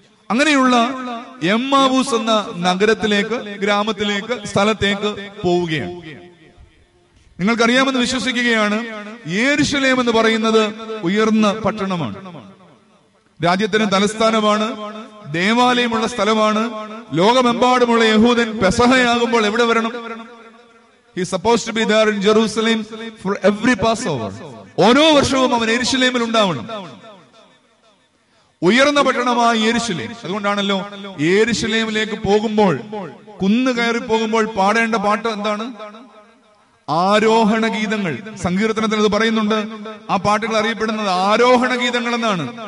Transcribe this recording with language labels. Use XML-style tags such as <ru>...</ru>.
<ml>അങ്ങനെയുള്ള എമ്മാവൂസ് എന്ന നഗരത്തിലേക്ക്, ഗ്രാമത്തിലേക്ക്, സ്ഥലത്തേക്ക് പോവുകയാണ്. നിങ്ങൾക്കറിയാമെന്ന് വിശ്വസിക്കുകയാണ്, യെരുശലേം എന്ന് പറയുന്നത് ഉയർന്ന പട്ടണമാണ്, രാജ്യത്തിന് തലസ്ഥാനമാണ്, ദേവാലയമുള്ള സ്ഥലമാണ്. ലോകമെമ്പാടുമുള്ള യഹൂദൻ പെസഹയാകുമ്പോൾ എവിടെ വരണം?</ml> <en>He's supposed to be there in Jerusalem for every Passover.</en> <ml>ഓരോ വർഷവും അവൻ യെരുശലേമിൽ ഉണ്ടാവണം. ഉയർന്ന പട്ടണമായ യെരുശലേം, അതുകൊണ്ടാണല്ലോ യെരുശലേമിലേക്ക് പോകുമ്പോൾ, കുന്ന് കയറി പോകുമ്പോൾ പാടേണ്ട പാട്ട് എന്താണ്? ആരോഹണ ഗീതങ്ങൾ. സങ്കീർത്തനത്തിൽ അത് പറയുന്നുണ്ട്. ആ പാട്ടുകൾ അറിയപ്പെടുന്നത് ആരോഹണ ഗീതങ്ങൾ എന്നാണ്.</ml>